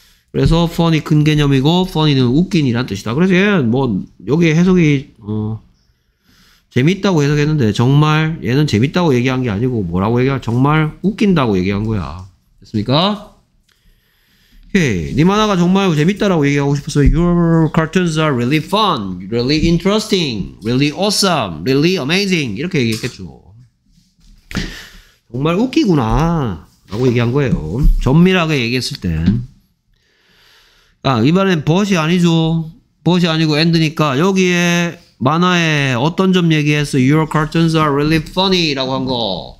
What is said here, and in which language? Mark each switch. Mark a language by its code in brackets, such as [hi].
[ko] 그래서 funny 큰 개념이고 funny는 웃긴 이란 뜻이다. 그래서 얘는 뭐 여기 해석이 재밌다고 해석했는데 정말 얘는 재밌다고 얘기한 게 아니고 뭐라고 얘기할 정말 웃긴다고 얘기한 거야. 됐습니까? 오케이. 네 만화가 정말 재밌다라고 얘기하고 싶었어요. [en] Your cartoons are really fun, really interesting, really awesome, really amazing [ko] 이렇게 얘기했겠죠. 정말 웃기구나 라고 얘기한 거예요. 전밀하게 얘기했을 땐. 아, 이번엔 but이 아니죠. but이 아니고 end니까 여기에 만화에 어떤 점 얘기했어? [en] Your cartoons are really funny [ko] 라고 한 거.